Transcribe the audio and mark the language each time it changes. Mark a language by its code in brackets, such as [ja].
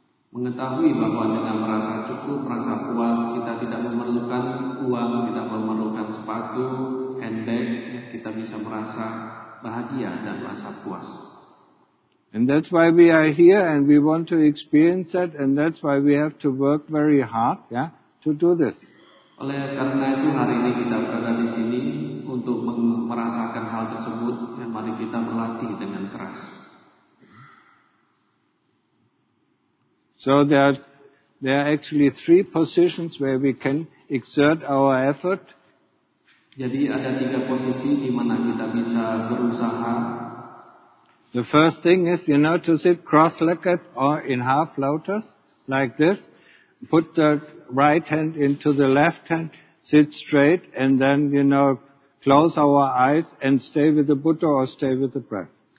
[id] Mengetahui bahwa dengan merasa cukup, merasa puas, kita tidak memerlukan uang, tidak memerlukan sepatu, handbag, kita bisa merasa bahagia dan merasa puas. [en] And that's why we are here and we want to experience that, and that's why we have to work very hard, yeah, to do this. [id] Oleh karena itu hari ini kita berada di sini untuk merasakan hal tersebut, ya, mari kita berlatih dengan keras. [en] So there are actually three positions where we can exert our effort. [id] Jadi ada tiga posisi di mana kita bisa berusaha. [en] The first thing is, you know, to sit cross-legged or in half lotus, like this. Put the right hand into the left hand, sit straight, and then, you know, close our eyes and stay with the Buddha or stay with the breath.